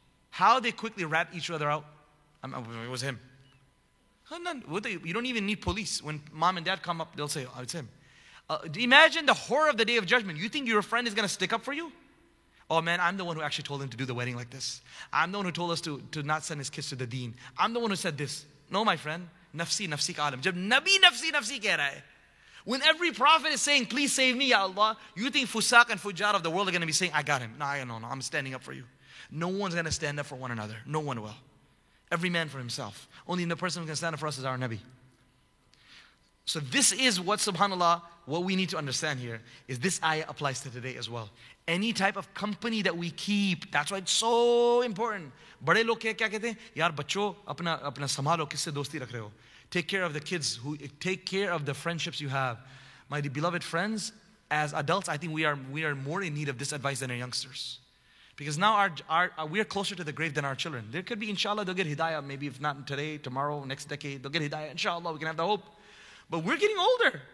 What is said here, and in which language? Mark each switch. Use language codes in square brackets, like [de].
[en] How they quickly rat each other out. It was him. You don't even need police. When mom and dad come up, they'll say, oh, it's him. Imagine the horror of the day of judgment. You think your friend is going to stick up for you? Oh man, I'm the one who actually told him to do the wedding like this. I'm the one who told us to not send his kids to the deen. I'm the one who said this. No, my friend. [ur] نفسی، نفسی کا عالم۔ جب نبی نفسی، نفسی کہہ رہا ہے۔ [en] When every prophet is saying, please save me, Ya Allah, you think fusaq and fujar of the world are going to be saying, I got him. No, I'm standing up for you. No one's going to stand up for one another. No one will. Every man for himself. Only the person who can stand up for us is our nabi. So this is what, subhanAllah, what we need to understand here, is this ayah applies to today as well. Any type of company that we keep, that's why it's so important. [ur] بڑے لوگ کیا کہتے ہیں؟ یار، بچو، اپنا سمالو، کسسے دوستی رکھ رہے ہو؟ [en] Take care of the kids, take care of the friendships you have. My beloved friends, as adults, I think we are more in need of this advice than our youngsters. Because now we are closer to the grave than our children. There could be, inshallah, they'll get hidayah, maybe if not today, tomorrow, next decade, they'll get hidayah, inshallah, we can have the hope. But we're getting older.